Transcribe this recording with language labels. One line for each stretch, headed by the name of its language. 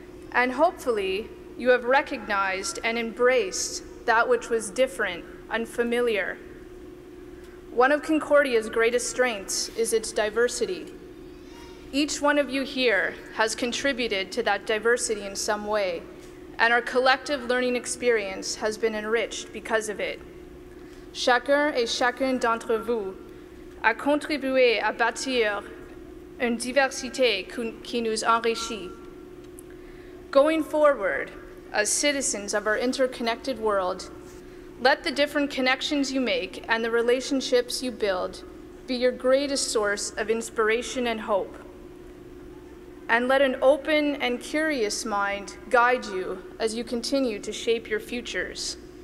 English: And hopefully, you have recognized and embraced that which was different and familiar. One of Concordia's greatest strengths is its diversity. Each one of you here has contributed to that diversity in some way, and our collective learning experience has been enriched because of it.
French: Chacun et chacune d'entre vous a contribué à bâtir une diversité qui nous enrichit.
English: Going forward, as citizens of our interconnected world, let the different connections you make and the relationships you build be your greatest source of inspiration and hope. And let an open and curious mind guide you as you continue to shape your futures.